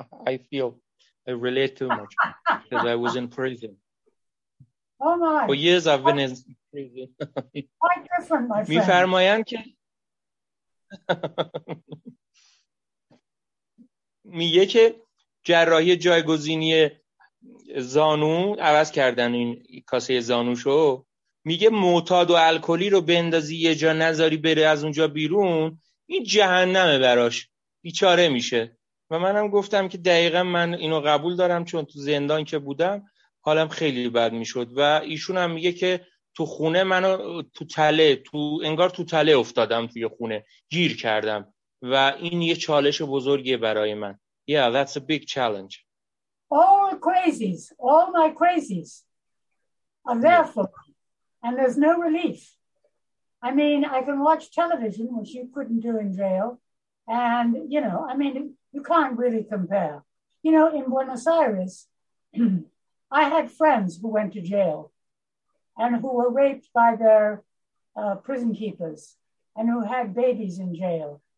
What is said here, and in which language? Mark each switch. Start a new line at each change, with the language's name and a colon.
English: I feel I relate too much because I was in prison. Oh my. For years I've been in prison. Quite different, my friend.
Persian: Me farmayan ke میگه که جراحی جایگزینی زانو عوض کردن این کاسه زانوشو، میگه معتاد و الکلی رو بندازی یه جا نذاری بره از اونجا بیرون، این جهنمه براش، بیچاره میشه. و منم گفتم که دقیقا من اینو قبول دارم، چون تو زندان که بودم حالم خیلی بد میشد. و ایشون هم میگه که تو خونه منو تو تله، تو انگار تو تله افتادم توی خونه، گیر کردم و این یه چالش بزرگیه برای من.
English: Yeah, that's a big challenge. All crazies, all my crazies are there for me. And there's no relief. I mean, I can watch television, which you couldn't do in jail. And, you know, I mean, you can't really compare. You know, in Buenos Aires, I had friends who went to jail and who were raped by their prison keepers and who had babies in jail.